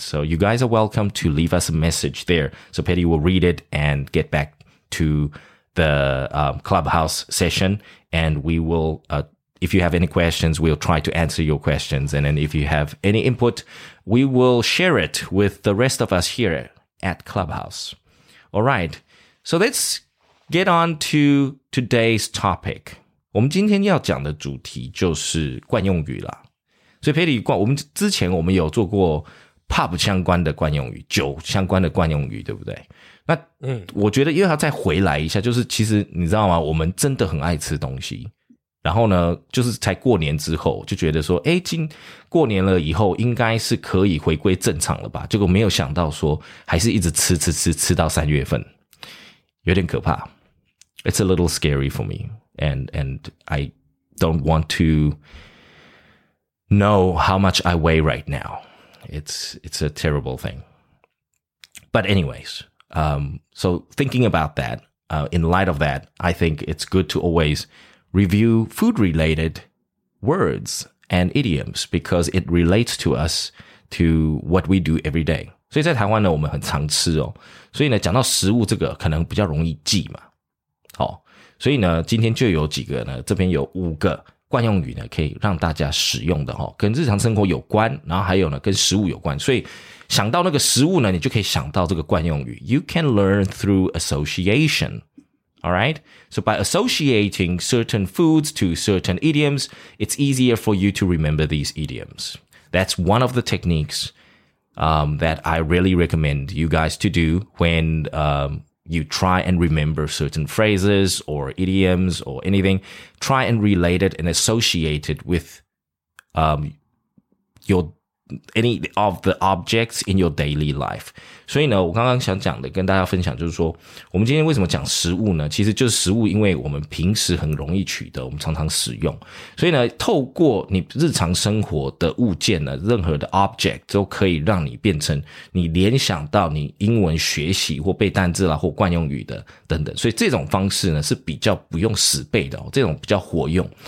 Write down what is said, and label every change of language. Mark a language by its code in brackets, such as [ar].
[en] So you guys are welcome to leave us a message there. So Patty will read it and get back to the clubhouse session. And we will, if you have any questions, we'll try to answer your questions. And then if you have any input,We will share it with the rest of us here at Clubhouse. All right. So let's get on to today's topic. [zh] 我们今天要讲的主题就是惯用语啦。所以 Patty, 我们之前我们有做过 pub 相关的惯用语，酒相关的惯用语，对不对？那我觉得又要再回来一下，就是其实你知道吗？我们真的很爱吃东西。然后呢就是才过年之后就觉得说诶今过年了以后应该是可以回归正常了吧，结果没有想到说还是一直吃到三月份，有点可怕。 [en] It's a little scary for me and I don't want to know how much I weigh right now. It's a terrible thing. But anyways, so thinking about that, in light of that, I think it's good to alwaysreview food-related words and idioms because it relates to us to what we do every day. [zh] 所以在台湾呢我们很常吃哦。所以呢讲到食物这个可能比较容易记嘛。好、哦。所以呢今天就有几个呢这边有五个惯用语呢可以让大家使用的、哦、跟日常生活有关然后还有呢跟食物有关。所以想到那个食物呢你就可以想到这个惯用语。 [en] You can learn through association. Alright, so by associating certain foods to certain idioms, it's easier for you to remember these idioms. That's one of the techniques, that I really recommend you guys to do when, you try and remember certain phrases or idioms or anything. Try and relate it and associate it with, any of the objects in your daily life. [zh] 所以呢我刚刚想讲的跟大家分享就是说我们今天为什么讲食物呢其实就是食物因为我们平时很容易取得我们常常使用。所以呢透过你日常生活的物件呢任何的 object 都可以让你变成你联想到你英文学习或背单字啦或惯用语的等等。所以这种方式呢是比较不用死背的、哦、这种比较活用。